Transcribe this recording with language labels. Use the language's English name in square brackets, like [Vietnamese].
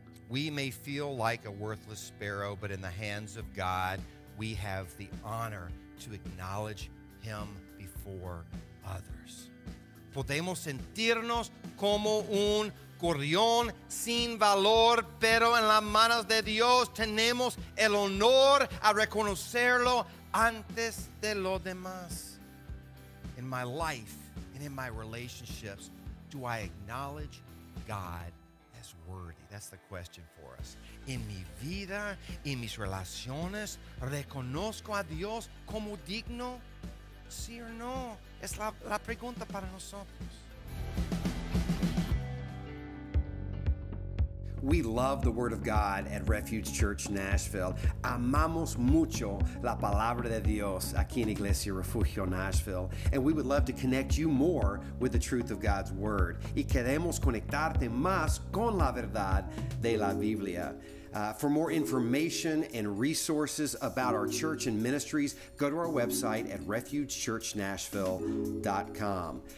[English] We may feel like a worthless sparrow, but in the hands of God, we have the honor to acknowledge Him before others. [Spanish] Podemos sentirnos como un gorrión sin valor, pero en las manos de Dios tenemos el honor a reconocerlo antes de lo demás. [English] In my life, and in my relationships, do I acknowledge God as worthy? That's the question for us. [Spanish] En mi vida, en mis relaciones, ¿reconozco a Dios como digno? ¿Sí o no? Es la pregunta para nosotros. [English] We love the Word of God at Refuge Church Nashville. [Spanish] Amamos mucho la Palabra de Dios aquí en Iglesia Refugio Nashville. [English] And we would love to connect you more with the truth of God's Word. [Spanish] Y queremos conectarte más con la verdad de la Biblia. [English] For more information and resources about our church and ministries, go to our website at refugechurchnashville.com.